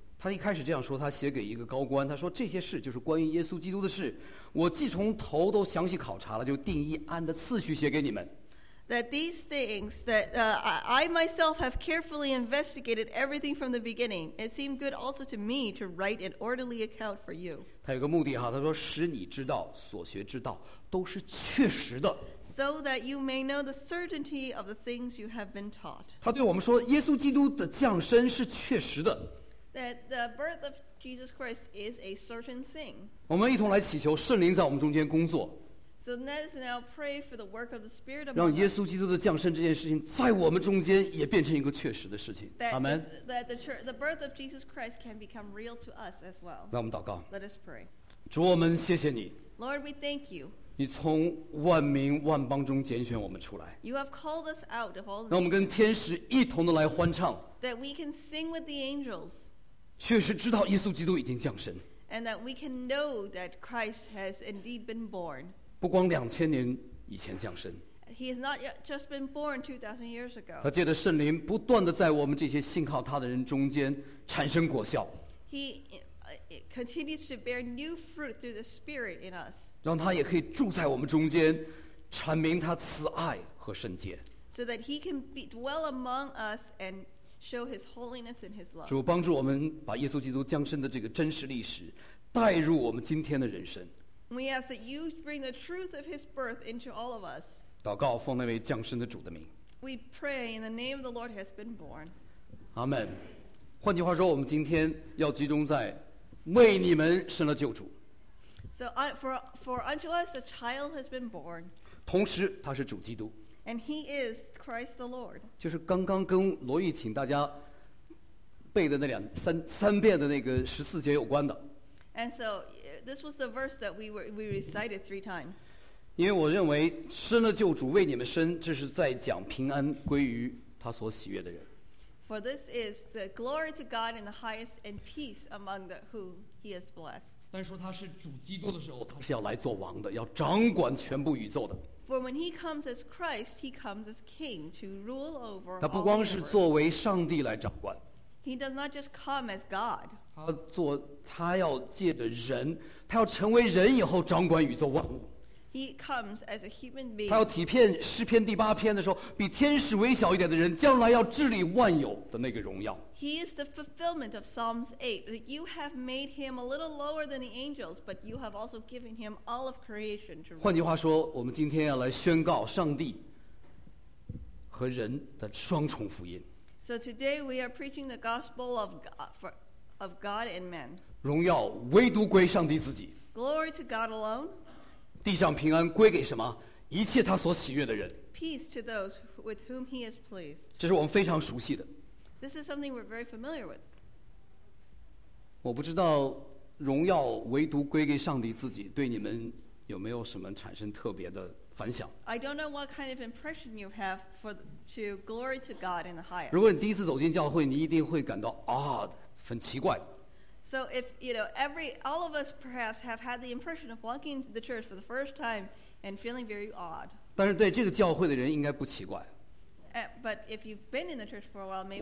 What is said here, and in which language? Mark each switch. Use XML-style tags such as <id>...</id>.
<zh>他一开始这样说，他写给一个高官，他说这些事就是关于耶稣基督的事，我既从头都详细考察了，就定义按的次序写给你们。</zh> <en>That these things that I myself have carefully investigated everything from the beginning, it seemed good also to me to write an orderly account for you.</en> <zh>他有个目的哈，他说使你知道所学之道都是确实的。</zh> <en>So that you may know the certainty of the things you have been taught.</en> <zh>他对我们说，耶稣基督的降生是确实的。</zh> <en>That the birth of Jesus Christ is a certain thing.</en> <zh>我们一同来祈求圣灵在我们中间工作。</zh> <en>So let us now pray for the work of the Spirit of God.</en> <zh>让耶稣基督的降生这件事情在我们中间也变成一个确实的事情。</zh> <en>Amen. That the birth of Jesus Christ can become real to us as well.</en> <zh>让我们祷告。</zh> <en>Let us pray.</en> <zh>主，我们谢谢你。</zh> <en>Lord, we thank you.</en> <zh>你从万民万邦中拣选我们出来。</zh> <en>You have called us out of all.</en> <zh>让我们跟天使一同的来欢唱。</zh> <en>That we can sing with the angels.</en> <zh>确实知道耶稣基督已经降生。</zh> <en>And that we can know that Christ has indeed been born.</en> <zh>不光两千年以前降生，</zh> <en>He has not yet just been born 2,000 years ago.</en> <zh>他借着圣灵不断地在我们这些信靠他的人中间产生果效。</zh> <en>He continues to bear new fruit through the Spirit in us.</en> <zh>让他也可以住在我们中间，阐明他慈爱和圣洁。</zh> <en>So that he can dwell among us and show his holiness and his love.</en> <zh>主，帮助我们把耶稣基督降生的这个真实历史带入我们今天的人生。</zh> <en>We ask that you bring the truth of his birth into all of us.</en> <zh>祷告奉那位降生的主的名。</zh> <en>We pray in the name of the Lord has been born. Amen.</en> <zh>换句话说，我们今天要集中在为你们生了救主。</zh> <en>So for unto us a child has been born.</en> <zh>同时他是主基督。</zh> <en>And he is Christ the Lord.</en> <zh>就是刚刚跟罗毅请大家背的那三遍的那个十四节有关的。</zh> <en>And so this was the verse that we recited three times.</en> <zh>因为我认为生了救主为你们生，这是在讲平安归于他所喜悦的人。</zh> <en>For this is the glory to God in the highest and peace among the who he has blessed.</en> <zh>但说他是主基督的时候，他是要来做王的，要掌管全部宇宙的。</zh> <en>For when he comes as Christ, he comes as king to rule over all.</en> <zh>他不光是作为上帝来掌管。</zh> <en>He does not just come as God.</en> <zh>他要借着人，他要成为人以后掌管宇宙万物。</zh> <en>He comes as a human being.</en> <zh>他要体片诗篇第八篇的时候，比天使微小一点的人，将来要治理万有的那个荣耀。</zh> <en>He is the fulfillment of Psalms 8, that you have made him a little lower than the angels, but you have also given him all of creation to rule.</en> <zh>换句话说，我们今天要来宣告上帝和人的双重福音。</zh> <en>So today we are preaching the gospel of God, of God and man.</en> <zh>荣耀唯独归上帝自己。</zh> <en>Glory to God alone.</en> <zh>地上平安归给什么？一切他所喜悦的人。</zh> <en>Peace to those with whom he is pleased.</en> <zh>这是我们非常熟悉的。</zh> <en>This is something we're very familiar with.</en> <zh>我不知道荣耀唯独归给上帝自己对你们有没有什么产生特别的。</zh> <en>I don't know what kind of impression you have for to glory to God in the highest.</en> <zh>如果你第一次走进教会，你一定会感到</zh> <en>odd，</en> <zh>很奇怪。</zh> <en>So if you know all of us perhaps have had the impression of walking into the church for the first time and feeling very odd.</en> <zh>但是对这个教会的人应该不奇怪。</zh> <en>But if you've been in the church for a while, maybe.</en>